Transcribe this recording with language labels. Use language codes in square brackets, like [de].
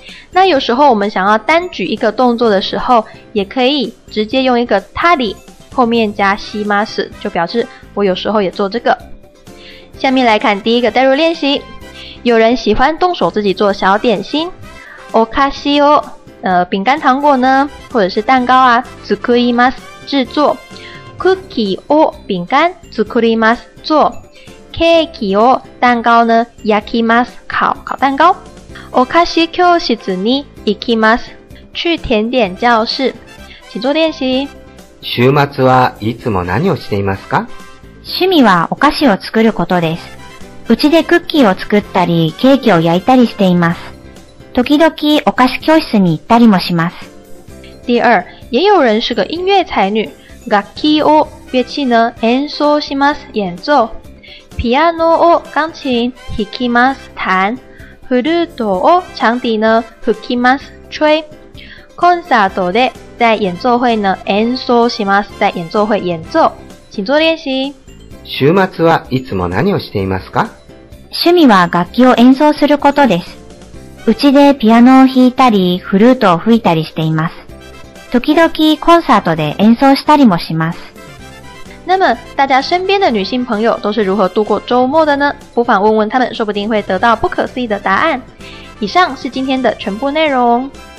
[zh] 那有时候我们想要单举一个动作的时候，也可以直接用一个他里后面加します，就表示我有时候也做这个。下面来看第一个代入练习。有人喜欢动手自己做小点心， [ja] お菓子を [zh] 饼干糖果呢，或者是蛋糕啊， [ja] 作ります [zh] 制作。 cookie を饼干 [ja] 作ります [zh] 做。cake を蛋糕呢 [ja] 焼きます [zh] 烤蛋糕。 [ja] お菓子教室に行きます [zh] 去甜点教室。请做练习。 [ja] 週末はいつも何をしていますか？趣味はお菓子を作ることです。うちでクッキーを作ったりケーキを焼いたりしています。時々お菓子教室に行ったりもします。 [zh] 第二、也有人是个音乐才女， [ja] 楽器を [zh] 乐器呢 [ja] 演奏します、 [zh] 演奏。 [ja] ピアノを [zh] 钢琴 [ja] 弾きます、弹。フルートを [zh] 长笛呢 [ja] 吹きます、吹。コンサートで [zh] 在演奏会呢 [ja] 演奏します、 [zh] 在演奏会演奏。请做练习。 [ja] 週末はいつも何をしていますか？趣味は楽器を演奏することです。うちでピアノを弾いたりフルートを吹いたりしています。時々コンサートで演奏したりもします。 [zh] 那么大家身边的女性朋友都是如何度过周末的呢？不妨问问他们，说不定会得到不可思议的答案。以上是今天的全部内容。